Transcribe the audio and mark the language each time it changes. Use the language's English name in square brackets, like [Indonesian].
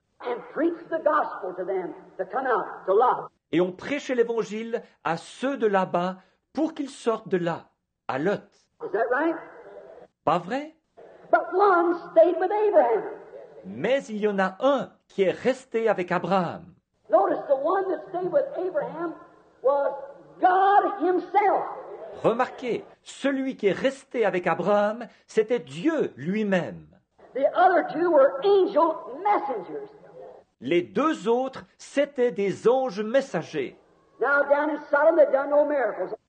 [English] And preached the gospel to them to come out to Lot. [French] Et ont prêché l'évangile à ceux de là-bas pour qu'ils sortent de là, à Lot. [English] Is that right? [French] Pas vrai? [English] But one stayed with Abraham. [French] Mais il y en a un qui est resté avec Abraham. [English] Notice the one that stayed with Abraham was God himself. [French] Remarquez, celui qui est resté avec Abraham, c'était Dieu lui-même. [English] The other two were angel messengers. [French] Les deux autres, c'était des anges messagers. [English] Now down in Sodom, they've done no miracles.